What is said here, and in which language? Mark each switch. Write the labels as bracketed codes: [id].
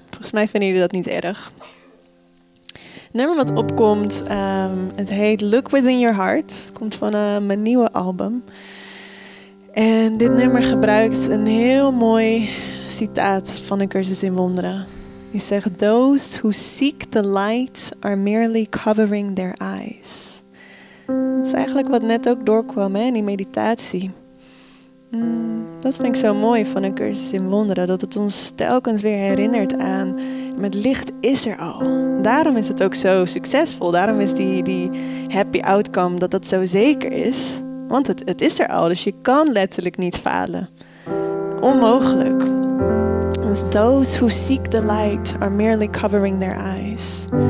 [nl] Volgens mij vinden jullie dat niet erg. Het nummer wat opkomt, het heet Look Within Your Heart. Komt van mijn nieuwe album. En dit nummer gebruikt een heel mooi citaat van een cursus in wonderen. Die zegt, [en] those who seek the light are merely covering their eyes. [nl] Dat is eigenlijk wat net ook doorkwam, hè, in die meditatie. Dat vind ik zo mooi van een cursus in wonderen. Dat het ons telkens weer herinnert aan, met licht is er al. Daarom is het ook zo succesvol. Daarom is die happy outcome, dat zo zeker is. Want het is er al, dus je kan letterlijk niet falen. Onmogelijk. Dus [en] those who seek the light are merely covering their eyes.